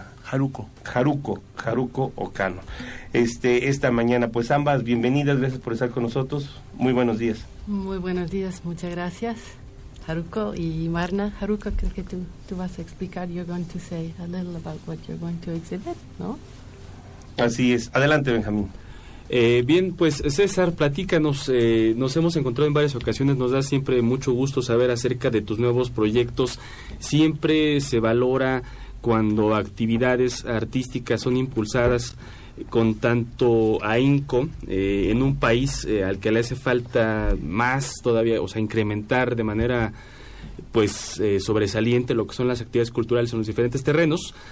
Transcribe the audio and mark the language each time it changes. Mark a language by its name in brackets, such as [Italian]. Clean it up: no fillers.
[Spanish] Haruko Okano. Esta mañana, pues ambas, bienvenidas, gracias por estar con nosotros. Muy buenos días. Muy buenos días, muchas gracias. Haruko y Marna. Haruko, creo que tú vas a explicar, [English] you're going to say a little about what you're going to exhibit, [Spanish] ¿no? Así es. Adelante, Benjamín. Bien, pues César, platícanos, nos hemos encontrado en varias ocasiones, nos da siempre mucho gusto saber acerca de tus nuevos proyectos. Siempre se valora cuando actividades artísticas son impulsadas con tanto ahínco en un país al que le hace falta más todavía, o sea, incrementar de manera pues sobresaliente lo que son las actividades culturales en los diferentes terrenos.